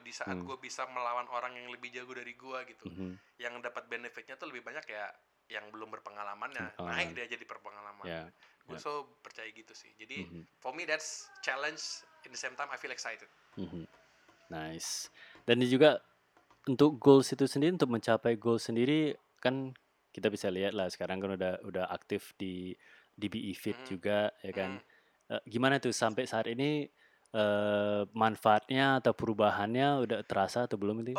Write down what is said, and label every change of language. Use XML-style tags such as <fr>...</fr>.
<id>Di saat gue bisa melawan orang yang lebih jago dari gue gitu. Yang dapat benefitnya tuh lebih banyak ya, yang belum berpengalaman ya naik dia jadi berpengalaman. So percaya gitu sih. Jadi</id> <en>for me that's challenge, in the same time I feel excited. Nice.</en> <id>Dan juga untuk goals itu sendiri, untuk mencapai goal sendiri kan kita bisa lihat lah sekarang kan udah aktif di DBE Fit juga ya kan. Gimana tuh sampai saat ini manfaatnya atau perubahannya udah terasa atau belum itu?</id>